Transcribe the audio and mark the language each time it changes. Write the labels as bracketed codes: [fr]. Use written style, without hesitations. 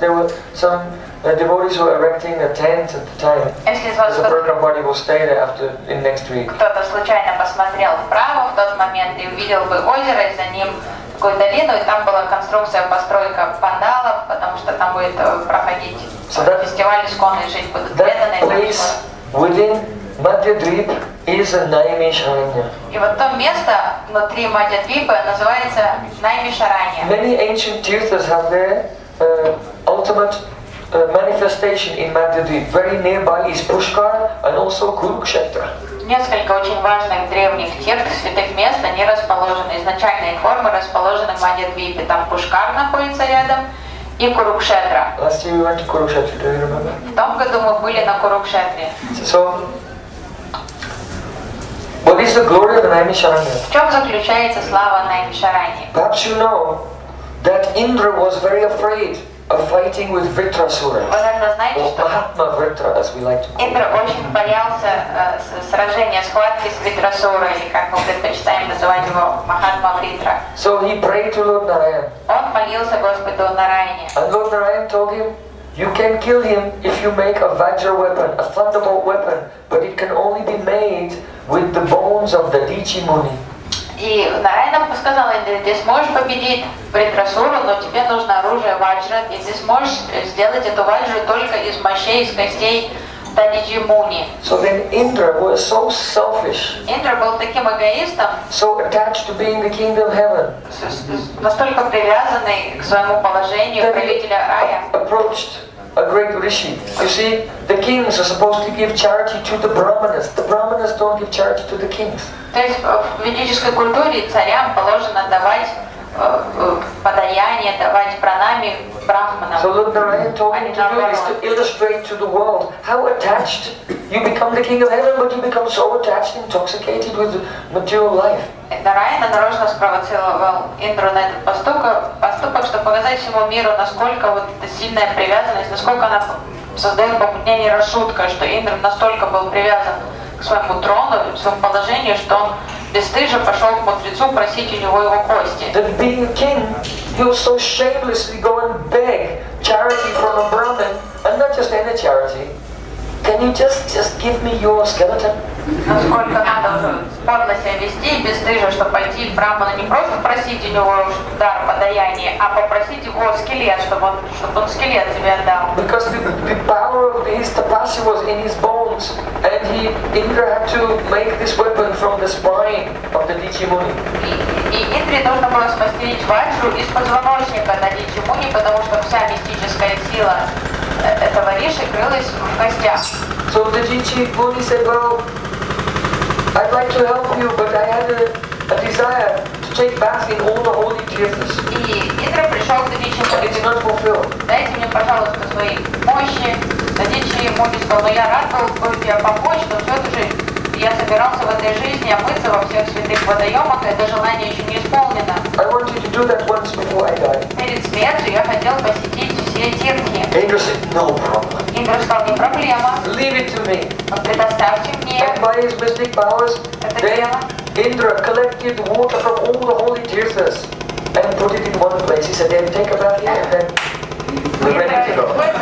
[en] There were some devotees were erecting a tent at the time. The program party will stay there after in next week. [ru] Кто-то случайно посмотрел вправо в тот момент и увидел бы озеро, и за ним какую долину, и там была конструкция, постройка пандалов, потому что там будет проходить фестиваль исконной жизни, будут преданные. [en] That place within Madhya Dweep is a Naimisharanya. [ru] И вот то место внутри Мадья Двипа называется Наймишаранья. [en] Many ancient tirthas have their ultimate manifestation in Madhya Dweep. Very nearby is Pushkar and also Kurukshetra. [ru] Несколько очень важных древних тирт, святых мест, они расположены, изначальные формы расположены в Мадья Двипе. Там Пушкар находится рядом и Курукшетра. [en] Last year we went to Kurukshetra, do you remember? [ru] В том году мы были на Курукшетре. [en] So, what is the glory of Naimisharanya? [ru] В чем заключается слава Наймишараньи? [en] Perhaps you know that Indra was very afraid of fighting with Vritrasura. [ru] Вы наверное знаете, что [en] Махатма Вритра, as we like to call it. [ru] Индра очень боялся сражения, схватки с Вритрасурой, или как мы предпочитаем называть его Махатма Вритра. [en] So he prayed to Lord Narayan. [ru] Он молился Господу Нарайане. [en] And Lord Narayan told him, you can kill him if you make a Vajra weapon, a thunderbolt weapon, but it can only be made with the bones of the Dichi Muni. [ru] И Нарайна сказал Индре, ты сможешь победить Вритрасуру, но тебе нужно оружие Ваджра, и ты сможешь сделать эту Ваджру только из мощей, из костей Дичи Муни. [en] So then Indra was so selfish. [ru] Индра был таким эгоистом. [en] So attached to being the king of heaven. [ru] Настолько привязанный к своему положению правителя рая. [en] Approached a great rishi. You see, the kings are supposed to give charity to the brahmanas. The brahmanas don't give charity to the kings. [ru] То есть в ведической культуре царям положено давать подаяние, давать пранами брахманам. [en] So Lord Narayan told him to do is to illustrate to the world how attached you become the king of heaven, but you become so attached, intoxicated with material life. [ru] Нарайана нарочно спровоцировал Индру на этот поступок, чтобы показать всему миру, насколько вот эта сильная привязанность, насколько она создает помутнение рассудка, что Индра настолько был привязан к своему трону, к своему положению, что он бесстыжо пошел к мудрецу просить у него его кости. [en] That being king, you so shamelessly go and beg charity from a Brahmin, and not just any charity. Can you just give me your skeleton? [ru] Насколько надо спорно себя вести, бесстыжо, чтобы пойти к Брахману не просто просить у него дар подаяния, а попросить его скелет, чтобы он скелет тебе отдал. [en] Because the power of his tapasya was in his bones, and he Indra had to make this weapon from the spine of the Dichi Muni. [ru] И Индре нужно было спастерить Ваджру из позвоночника на Дичи Муни, потому что вся мистическая сила этого риши крылась в костях. [en] So the Dichi Muni said, well, I'd like to help you, but I had a desire to take bath in all the holy tirthas. [ru] И Индра пришел к Дичи Муни. [en] It's not fulfilled. [ru] Дайте мне, пожалуйста, свои мощи. Дичи Муни сказал, но я рад был бы тебе помочь, но все-таки я собирался в этой жизни омыться во всех святых водоемах, и это желание еще не исполнено. [en] I wanted to do that once before I die. [ru] Перед смертью я хотел посетить все тирхи. [en] Indra said, no problem. [ru] Индра сказал, не проблема. [en] Leave it to me. [ru] Предоставьте мне. [en] And by his mystic powers, then Indra collected water from all the holy tirthas and put it in one place. He said, then take a bath here and then we're ready to go.